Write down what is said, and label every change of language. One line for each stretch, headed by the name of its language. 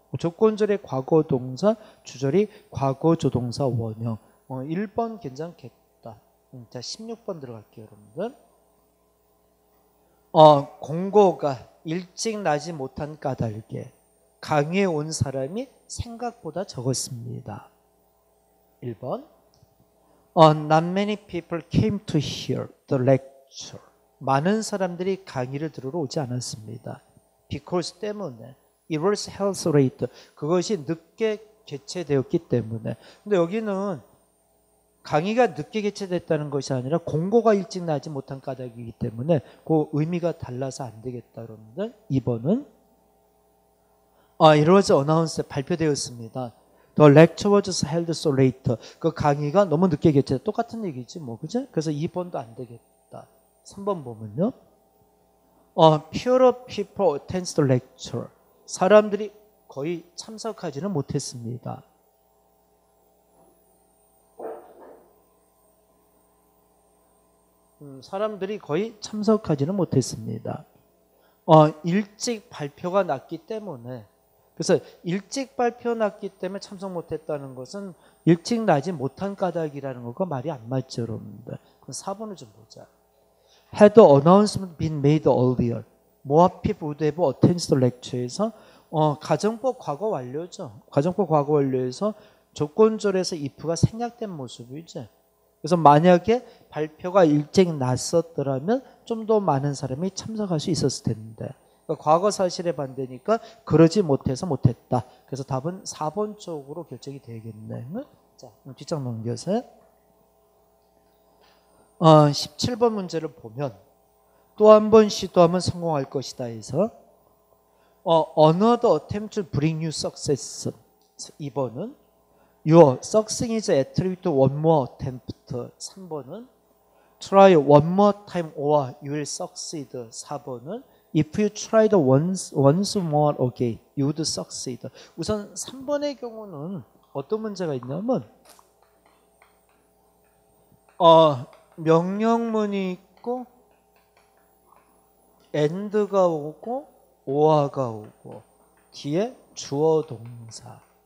Korean: 조건절의 과거 동사, 주절이 과거 조동사 원형. 1번 괜찮겠다. 자, 16번 들어갈게요, 여러분들. 공고가 일찍 나지 못한 까닭에 강의에 온 사람이 생각보다 적었습니다. 1번.
English: Not many people came to hear the lecture.
Korean: 많은 사람들이 강의를 들으러 오지 않았습니다.
English: Because
Korean: 때문에.
English: It was held so late.
Korean: 그것이 늦게 개최되었기 때문에. 근데 여기는 강의가 늦게 개최됐다는 것이 아니라 공고가 일찍 나지 못한 까닭이기 때문에 그 의미가 달라서 안 되겠다, 여러분들.
English: 2번은. It was announced,
Korean: 발표되었습니다.
English: The lecture was held so late.
Korean: 그 강의가 너무 늦게 개최됐다. 똑같은 얘기지, 뭐. 그죠? 그래서 2번도 안 되겠다. 3번 보면요.
English: Fewer people attend the lecture.
Korean: 사람들이 거의 참석하지는 못했습니다. 사람들이 거의 참석하지는 못했습니다. 일찍 발표가 났기 때문에, 그래서 일찍 발표 났기 때문에 참석 못했다는 것은 일찍 나지 못한 까닭이라는 것과 말이 안 맞죠, 여러분들. 그럼 4번을 좀 보자.
English: Had the announcement been made earlier, more people would have attended the lecture에서
Korean: 가정법 과거 완료죠. 가정법 과거 완료에서 조건절에서 if가 생략된 모습이죠. 그래서 만약에 발표가 일찍 났었더라면 좀더 많은 사람이 참석할 수 있었을 텐데. 그러니까 과거 사실에 반대니까 그러지 못해서 못했다. 그래서 답은 4번 쪽으로 결정이 되겠네. 자, 뒷장 넘겨서. 17번 문제를 보면 또한번 시도하면 성공할 것이다 해서
English: Another attempt to bring you success.
Korean: 2번은
English: your success is attribute one more attempt. 3번은 try one more time or you will succeed. 4번은 if you tried once more again, you would succeed.
Korean: 우선 3번의 경우는 어떤 문제가 있냐면 명령문이 있고 and가 오고 or가 오고 뒤에 주어 동사.